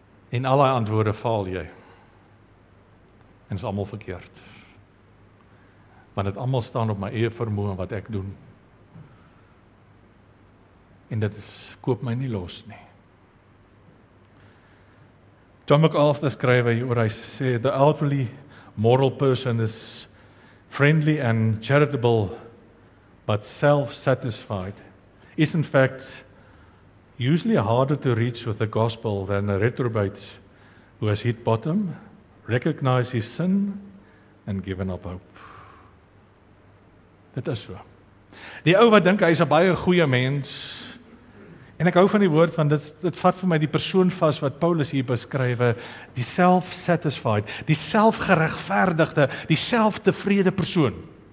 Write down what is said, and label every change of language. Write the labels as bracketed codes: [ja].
[af] en al die antwoorde faal jy, en is allemaal verkeerd, want het allemaal staan op my eie vermoë wat ek doen, en dit koop my nie los nie. [en] John MacArthur [af] skryf hy oor, hy sê, [en] the outwardly moral person is friendly and charitable, but self-satisfied, is in fact usually harder to reach with the gospel than a reprobate who has hit bottom, recognized his sin, and given up hope. [af] Dit is so. Die ou wat dink, hy is 'n baie goeie mens, en ek hou van die woord, want dit vat vir my die persoon vas wat Paulus hier beskryf, die self-satisfied, die selfgeregverdigde, die selftevrede persoon.